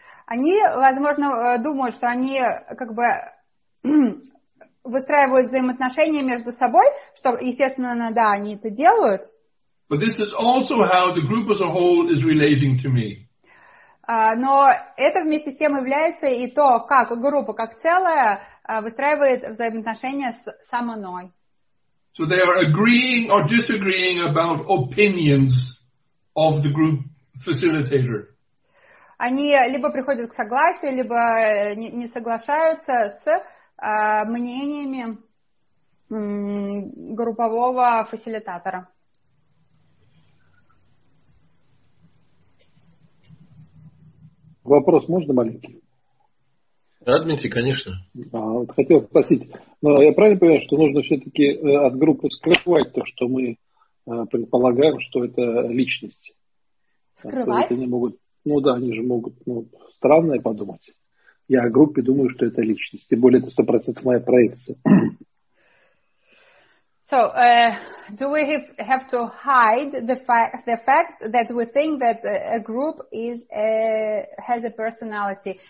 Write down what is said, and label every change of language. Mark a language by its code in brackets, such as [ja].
[ru] Они, возможно, думают, что они как бы выстраивают взаимоотношения между собой, что, естественно, да, они это делают. [en] But this is also how the group as a whole is relating to me. [ru] Но это вместе с тем является и то, как группа как целая выстраивает взаимоотношения со мной. [en] So they are agreeing or disagreeing about opinions of the group facilitator. [ru] Они либо приходят к согласию, либо не соглашаются с мнениями группового фасилитатора. Вопрос можно маленький? Да, Дмитрий, конечно. Вот хотел спросить, но я правильно понимаю, что нужно все-таки от группы скрывать то, что мы предполагаем, что это личности? Скрывать? Они могут, ну да, они же могут странное подумать. Я о группе думаю, что это личность. Тем более, это 100% моя проекция. [en] So, do we have to hide the fact that we think that a group has a personality?